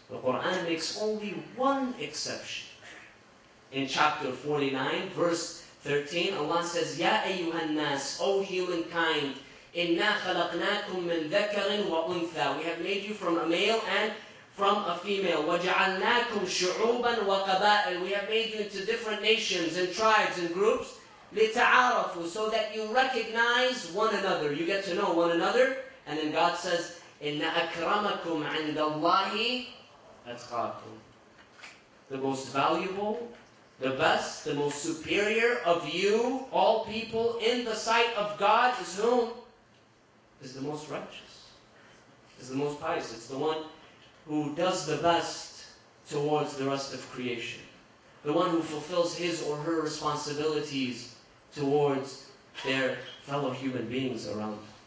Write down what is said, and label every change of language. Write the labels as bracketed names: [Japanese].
[English] The Quran makes only one exception. In chapter 49, verse 13, Allah says, [Arabic] Ya ayyuhan nas, [English] O humankind, [Arabic] إِنَّا خَلَقْنَاكُمْ مِنْ ذَكَرٍ وَأُنْثَى. [English] We have made you from a male and from a female. [Arabic] وَجَعَلْنَاكُمْ شُعُوبًا وَقَبَائِلٍ. [English] We have made you into different nations and tribes and groups. [Arabic] لِتَعَارَفُوا. [English] So that you recognize one another. You get to know one another. And then God says, [Arabic] إِنَّ أَكْرَمَكُمْ عِنْدَ اللَّهِ أَتْقَاكُمْ. [English] The most valuable, the best, the most superior of you, all people, in the sight of God is whom? Is the most righteous, is the most pious, it's the one who does the best towards the rest of creation, the one who fulfills his or her responsibilities towards their fellow human beings around them.